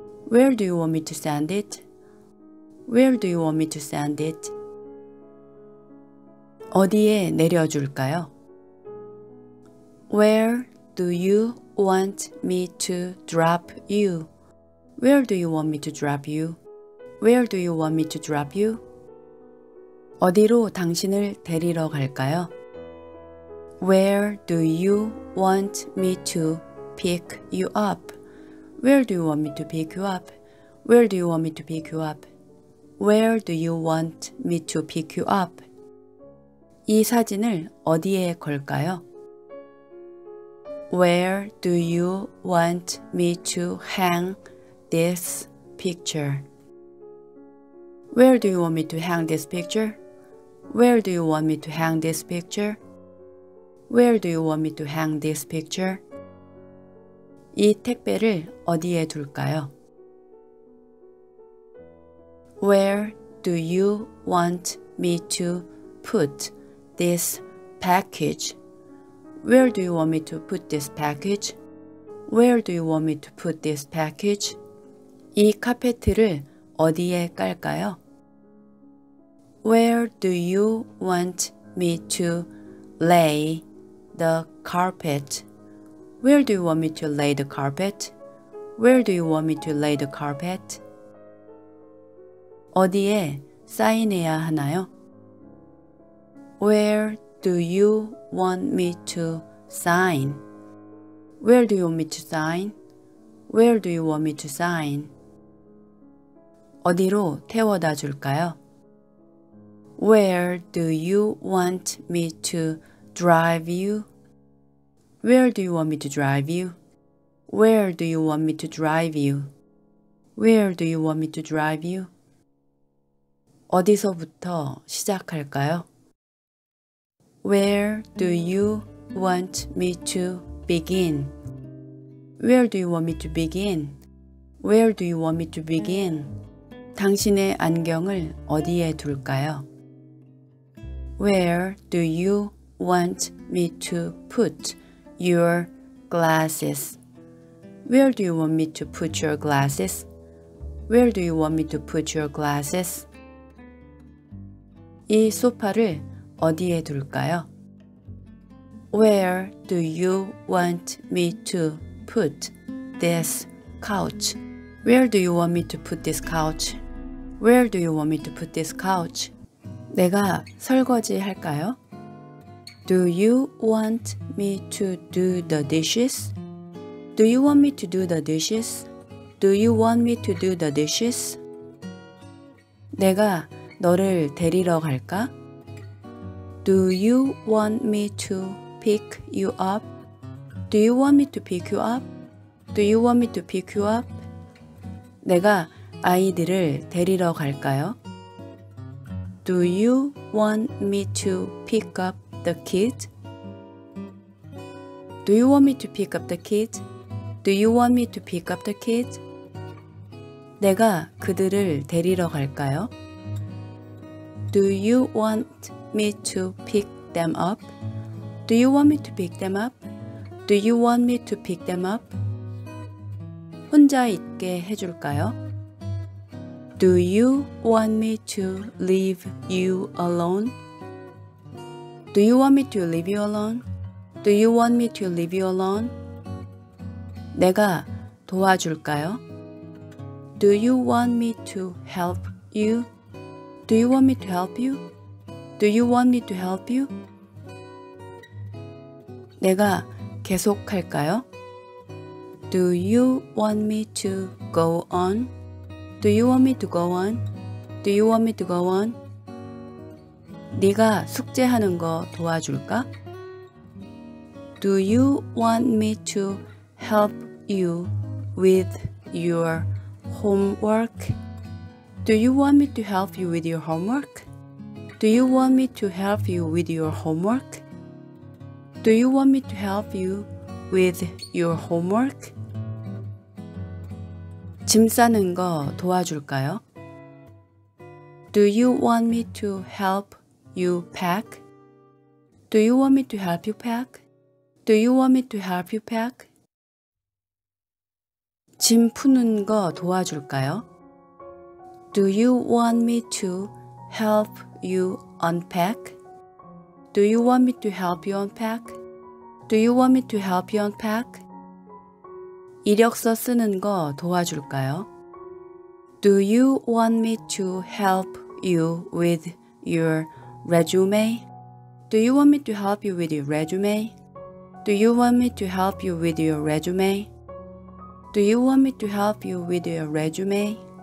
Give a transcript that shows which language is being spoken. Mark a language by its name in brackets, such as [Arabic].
[English] Where do you want me to send it? Where do you want me to send it? [Korean] 어디에 내려줄까요? [English] Where do you want me to drop you? Where do you want me to drop you? Where do you want me to drop you? [Korean] 어디로 당신을 데리러 갈까요? [English] Where do you want me to pick you up? Where do you want me to pick you up? Where do you want me to pick you up? Where do you want me to pick you up? [Korean] 이 사진을 어디에 걸까요? [English] Where do you want me to hang this picture? Where do you want me to hang this picture? Where do you want me to hang this picture? Where do you want me to hang this picture? [Korean] 이 택배를 어디에 둘까요? [English] Where do you want me to put this package? Where do you want me to put this package? Where do you want me to put this package? [Korean] 이 카페트를 어디에 깔까요? [English] Where do you want me to lay the carpet? Where do you want me to lay the carpet? Where do you want me to lay the carpet? [Korean] 어디에 사인해야 하나요? [English] Where do you want me to sign? Where do you want me to sign? Where do you want me to sign? [Korean] 어디로 태워다 줄까요? [English] Where do you want me to drive you? Where do you want me to drive you? Where do you want me to drive you? Where do you want me to drive you? [Korean] 어디서부터 시작할까요? [English] Where do you want me to begin? Where do you want me to begin? Where do you want me to begin? [Korean] 당신의 안경을 어디에 둘까요? [English] Where do you want me to put your glasses? Where do you want me to put your glasses? Where do you want me to put your glasses? [Korean] 이 소파를 어디에 둘까요? [English] Where do you want me to put this couch? Where do you want me to put this couch? Where do you want me to put this couch? [Korean] 내가 설거지 할까요? [English] Do you want me to do the dishes? Do you want me to do the dishes? Do you want me to do the dishes? [Korean] 내가 너를 데리러 갈까? [English] Do you want me to pick you up? Do you want me to pick you up? Do you want me to pick you up? [Korean] 내가 아이들을 데리러 갈까요? [English] Do you want me to pick up the kid? Do you want me to pick up the kid? Do you want me to pick up the kid? [Korean] 내가 그들을 데리러 갈까요? [English] Do you want me to pick them up? Do you want me to pick them up? Do you want me to pick them up? [Korean] 혼자 있게 해줄까요? [English] Do you want me to leave you alone? Do you want me to leave you alone? Do you want me to leave you alone? [Korean] 내가 도와줄까요? [English] Do you want me to help you? Do you want me to help you? Do you want me to help you? [Korean] 내가 계속할까요? [English] Do you want me to go on? Do you want me to go on? Do you want me to go on? [Korean] 네가 숙제하는 거 도와줄까? [English] Do you want me to help you with your homework? Do you want me to help you with your homework? Do you want me to help you with your homework? Do you want me to help you with your homework? [Korean] 짐 싸는 거 도와줄까요? [English] Do you want me to help you pack? Do you want me to help you pack? Do you want me to help you pack? [Korean] 짐 푸는 거 도와줄까요? [English] Do you want me to help you unpack? Do you want me to help you unpack? Do you want me to help you unpack? [Korean] 이력서 쓰는 거 도와줄까요? [English] Do you want me to help you with your resume? Do you want me to help you with your resume? Do you want me to help you with your resume? Do you want me to help you with your resume?